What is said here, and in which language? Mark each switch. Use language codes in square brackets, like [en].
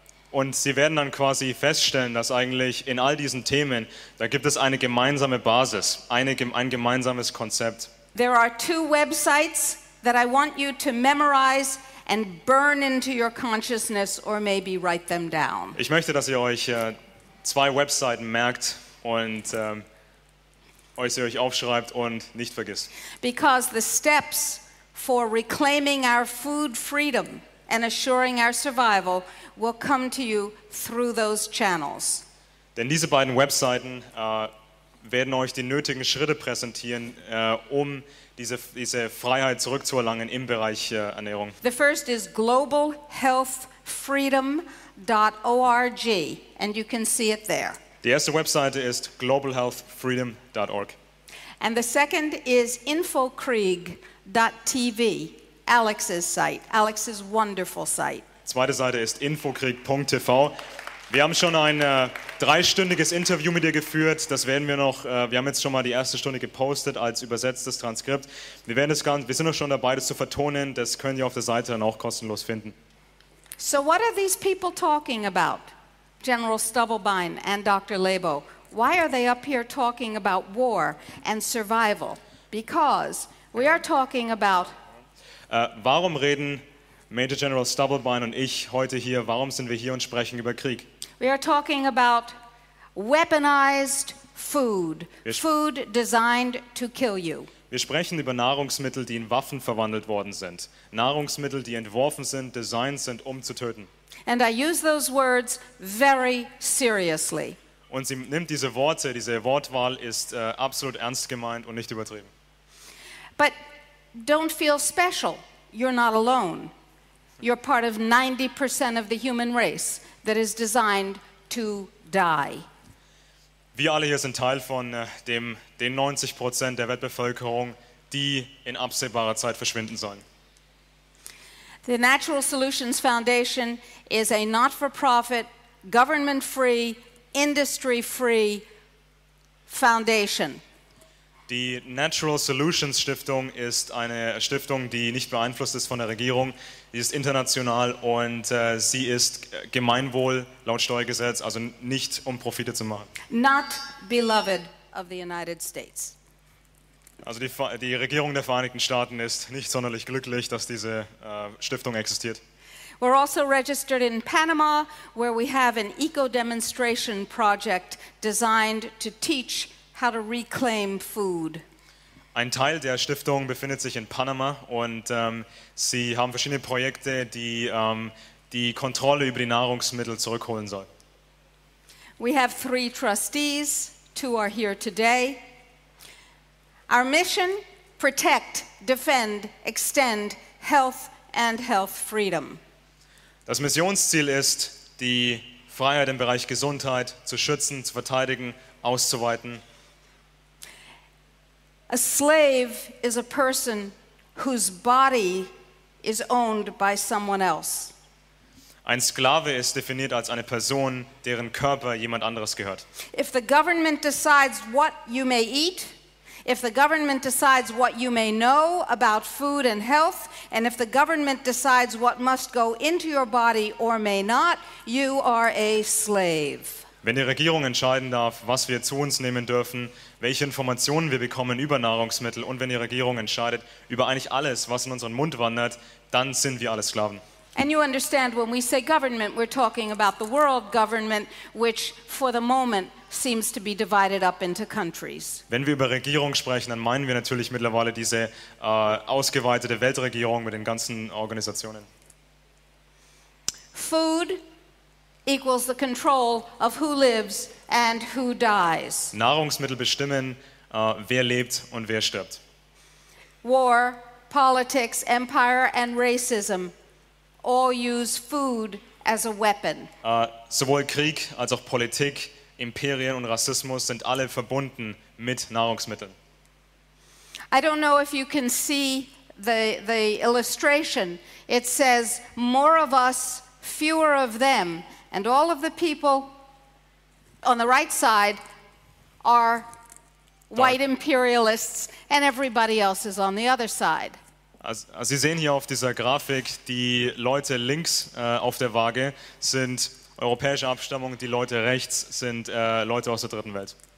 [de] Und Sie werden dann quasi feststellen, dass eigentlich in all diesen Themen, da gibt es eine gemeinsame Basis, ein gemeinsames Konzept. [en] There are two websites that I want you to memorize and burn into your consciousness or maybe write them down. [de] Ich möchte, dass ihr euch zwei Webseiten merkt und euch aufschreibt und nicht vergisst. [en] Because the steps for reclaiming our food freedom and assuring our survival will come to you through those channels. [de] Denn diese beiden Webseiten werden euch die nötigen Schritte präsentieren, um diese Freiheit zurückzuerlangen im Bereich Ernährung. [en] The first is globalhealthfreedom.org and you can see it there. [de] Die erste Webseite ist globalhealthfreedom.org. [en] And the second is infokrieg.tv, Alex's site, Alex's wonderful site. [de] Zweite Seite ist infokrieg.tv. Wir haben schon ein dreistündiges Interview mit dir geführt. Das werden wir noch. Wir haben jetzt schon mal die erste Stunde gepostet als übersetztes Transkript. Wir werden es ganz. Wir sind noch schon dabei, das zu vertonen. Das können Sie auf der Seite dann auch kostenlos finden. [en] So, what are these people talking about, General Stubblebine and Dr. Laibow? Why are they up here talking about war and survival? Because we are talking about. [de] Warum reden Major General Stubblebine und ich heute hier, warum sind wir hier und sprechen über Krieg? [en] We are talking about weaponized food, food designed to kill you. [de] Wir sprechen über Nahrungsmittel, die in Waffen verwandelt worden sind. Nahrungsmittel, die entworfen sind, designed sind, um zu töten. [en] And I use those words very seriously. [de] Und sie nimmt diese Worte, diese Wortwahl ist absolut ernst gemeint und nicht übertrieben. [en] But don't feel special. You're not alone. You're part of 90% of the human race that is designed to die. [de] Wir alle hier sind Teil von den 90% der Weltbevölkerung, die in absehbarer Zeit verschwinden sollen. [en] The Natural Solutions Foundation is a not-for-profit, government-free, industry-free foundation. [de] Die Natural Solutions Stiftung ist eine Stiftung, die nicht beeinflusst ist von der Regierung. Sie ist international und sie ist Gemeinwohl laut Steuergesetz, also nicht um Profite zu machen. [en] Not beloved of the United States. [de] Also die Regierung der Vereinigten Staaten ist nicht sonderlich glücklich, dass diese Stiftung existiert. [en] We're also registered in Panama, where we have an eco-demonstration project designed to teach how to reclaim food. [de] Ein Teil der Stiftung befindet sich in Panama und sie haben verschiedene Projekte, die die Kontrolle über die Nahrungsmittel zurückholen sollen. [en] We have three trustees, two are here today. Our mission: protect, defend, extend health and health freedom. [de] Das Missionsziel ist, die Freiheit im Bereich Gesundheit zu schützen, zu verteidigen, auszuweiten. [en] A slave is a person whose body is owned by someone else. [de] Ein Sklave ist definiert als eine Person, deren Körper jemand anderes gehört. [en] If the government decides what you may eat, if the government decides what you may know about food and health, and if the government decides what must go into your body or may not, you are a slave. [de] Wenn die Regierung entscheiden darf, was wir zu uns nehmen dürfen, welche Informationen wir bekommen über Nahrungsmittel und wenn die Regierung entscheidet über eigentlich alles, was in unseren Mund wandert, dann sind wir alle Sklaven. [en] And you understand when we say government, we're talking about the world government, which for the moment seems to be divided up into countries. [de] Wenn wir über Regierung sprechen, dann meinen wir natürlich mittlerweile diese ausgeweitete Weltregierung mit den ganzen Organisationen. [en] Food equals the control of who lives and who dies. [de] Nahrungsmittel bestimmen wer lebt und wer stirbt. [en] War, politics, empire and racism all use food as a weapon. [de] Sowohl Krieg als auch Politik, Imperien und Rassismus sind alle verbunden mit Nahrungsmitteln. [en] I don't know if you can see the illustration. It says more of us, fewer of them, and all of the people on the right side are white imperialists and everybody else is on the other side. [de] Also Sie sehen hier auf dieser Grafik, die Leute links auf der Waage sind europäische Abstammung, die Leute rechts sind Leute aus der dritten Welt.